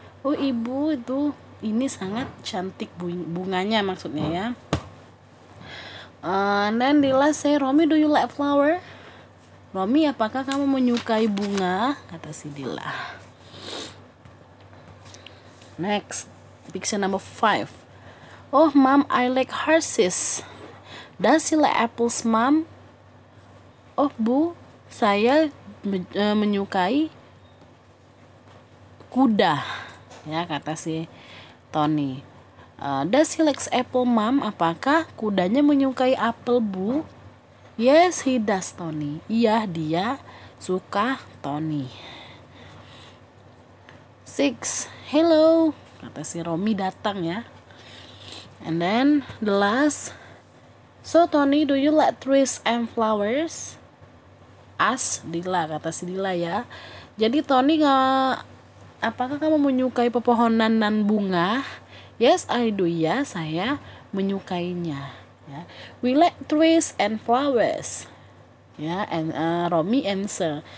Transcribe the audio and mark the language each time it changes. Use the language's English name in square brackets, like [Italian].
[Indonesian] Oh, ibu itu ini sangat cantik bunganya maksudnya ya. [English] And then Dila say, Romy, do you like flower? [Indonesian] Romy, apakah kamu menyukai bunga? Kata si Dila. [English] Next, picture number five. Oh, Mom, I like horses. Does she like apples, Mom? [Indonesian] Oh, Bu, saya menyukai kuda, ya, kata si Tony. [English] Does he like apple, Mom? [Indonesian] Apakah kudanya menyukai apel, Bu? [English] Yes, he does, Tony. [Indonesian] Iya, dia suka, Tony. Six, hello, kata si Romy datang, ya. [English] And then, the last. So, Tony, do you like trees and flowers? As Dila, [Indonesian] kata si Dila ya. Jadi Tony nggak, apakah kamu menyukai pepohonan dan bunga? [English] Yes, I do. [Indonesian] Ya, saya menyukainya. Ya. [English] We like trees and flowers. Ya, and Romy answer.